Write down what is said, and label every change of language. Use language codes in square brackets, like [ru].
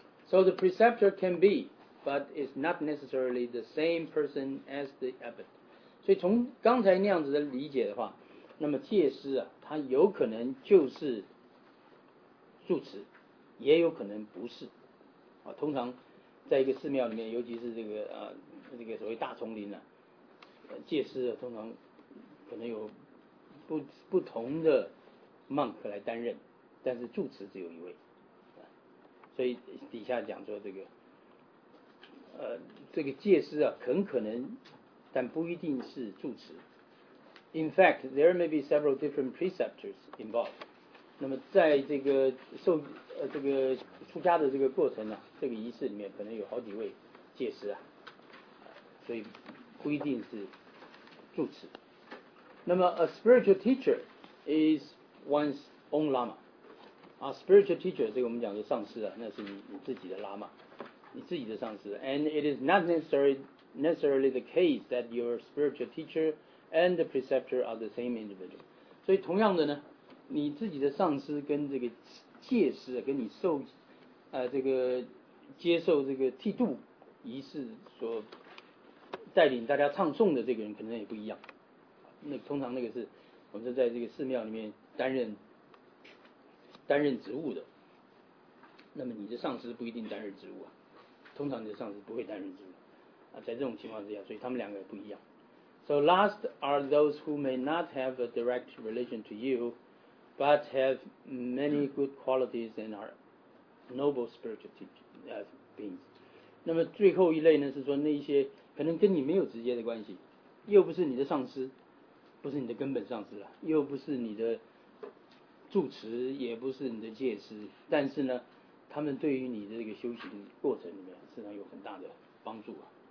[en] So the preceptor can be, but is not necessarily the same person as the abbot. [zh] 所以从刚才那样子的理解的话，那么戒师啊，他有可能就是住持，也有可能不是。啊，通常在一个寺庙里面，尤其是这个所谓大丛林啊，戒师啊，通常可能有不同的 monk 来担任，但是住持只有一位。所以底下讲说这个戒师啊，很可能，但不一定是住持。 [en] In fact, there may be several different preceptors involved. [zh] 那么在这个受这个出家的这个过程呢、啊，这个仪式里面可能有好几位戒师啊，所以不一定是住持。 [en] 那么 a spiritual teacher is one's own lama. A spiritual teacher, [zh] 这个我们讲的上师啊，那是你自己的喇嘛，你自己的上师。 [en] And it is not necessarily the case that your spiritual teacher and the preceptor are the same individual. [zh] 所以同样的呢，你自己的上师跟这个戒师、啊、跟你受这个接受这个剃度仪式所带领大家唱诵的这个人可能也不一样。那通常那个是我们是在这个寺庙里面担任职务的，那么你的上司不一定担任职务啊，通常你的上司不会担任职务啊，在这种情况之下，所以他们两个不一样。 [en] So last are those who may not have a direct relation to you, but have many good qualities and are noble spiritual beings. [zh] 那么最后一类呢，是说那一些可能跟你没有直接的关系，又不是你的上司，不是你的根本上司了，又不是你的。住持也不是你的戒师，但是呢，他们对于你的这个修行过程里面，实际上有很大的帮助啊。